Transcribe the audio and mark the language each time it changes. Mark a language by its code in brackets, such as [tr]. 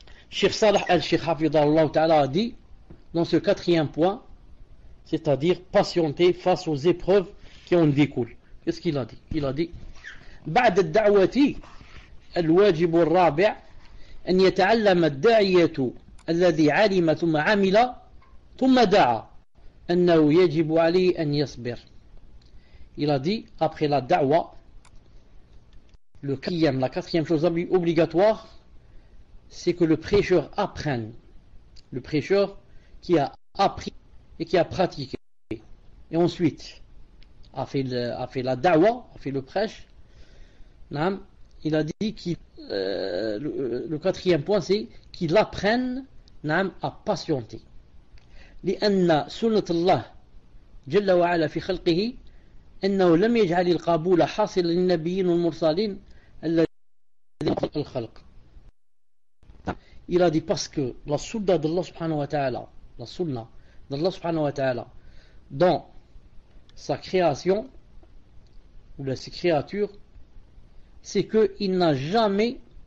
[fr] Cheikh Salah al-Sheikh Hafidallahu Ta'ala a dit, dans ce quatrième point, c'est-à-dire patienter face aux épreuves qui en découlent. Qu'est-ce qu'il a dit? Il a dit, [ar] « بعد الدعوة الواجب الرابع أن يتعلم الداعية الذي علم ثم عمل ثم دعا أنه يجب عليه أن يصبر. [fr] Il a dit, après la da'wa, la quatrième chose obligatoire, c'est que le prêcheur apprenne. Le prêcheur qui a appris et qui a pratiqué. Et ensuite, a fait la da'wa, a fait le prêche. Naam. Il a dit le quatrième point, c'est qu'il apprenne naam, à patienter. [ar] لأن سنة الله جل وعلا في خلقه أنه لم يجعل القبول حاصل للنبيين والمرسلين الذين في الخلق. [fr] Il a dit parce que la sunna d'Allah subhanahu wa ta'ala, la sunna d'Allah subhanahu wa ta'ala dans sa création ou dans ses créatures, c'est que il n'a jamais.